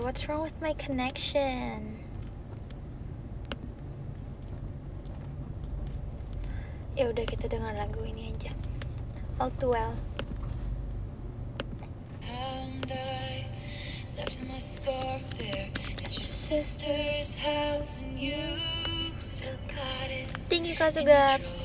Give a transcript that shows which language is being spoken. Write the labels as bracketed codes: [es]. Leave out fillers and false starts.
[en] What's wrong with my connection? [id] Ya udah kita dengar lagu ini aja. [en] All Too Well. And I left my scarf there at your sister's house and you still got it. Thank you, Kasugar.